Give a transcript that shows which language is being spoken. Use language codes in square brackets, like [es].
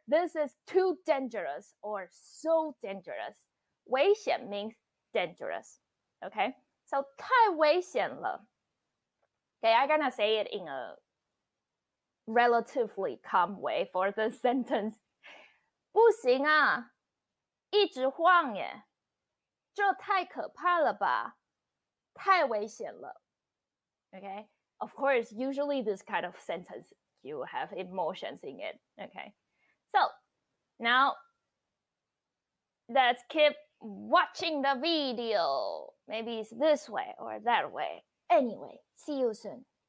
[en] This is too dangerous or so dangerous. 危险 means dangerous. Okay? So, [zh] 太危险了. [en] Okay, I'm gonna say it in a relatively calm way for the sentence. [zh] 不行啊，一直晃耶，这太可怕了吧，太危险了。 [en] Okay, of course, usually this kind of sentence, you have emotions in it. Okay, so now let's keep watching the video. Maybe it's this way or that way. Anyway, see you soon.